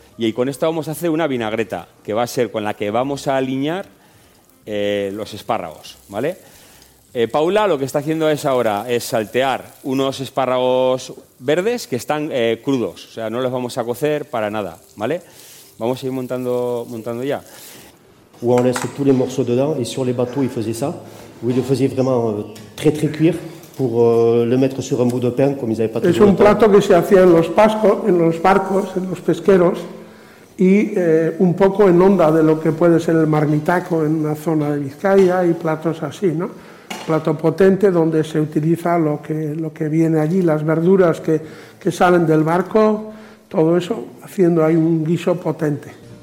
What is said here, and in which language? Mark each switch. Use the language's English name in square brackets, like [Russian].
[Spanish] Y con esto vamos a hacer una vinagreta, que va a ser con la que vamos a aliñar los espárragos, ¿vale? Paula lo que está haciendo es ahora es saltear unos espárragos verdes que están crudos, o sea, no los vamos a cocer para nada, ¿vale? Vamos a ir montando ya. [French] Où on laisse tous les morceaux dedans et sur les bateaux ils faisaient ça, où ils le faisaient vraiment très très cuire pour le mettre sur un bout de pain comme ils avaient pas [Spanish] tout. Es un plato que se hacía en los pascos, en los barcos, en los pesqueros y un poco en onda de lo que puede ser el marmitaco en una zona de Vizcaya y platos así, ¿no? Plato potente donde se utiliza lo que viene allí, las verduras que salen del barco, todo eso haciendo ahí un guiso potente.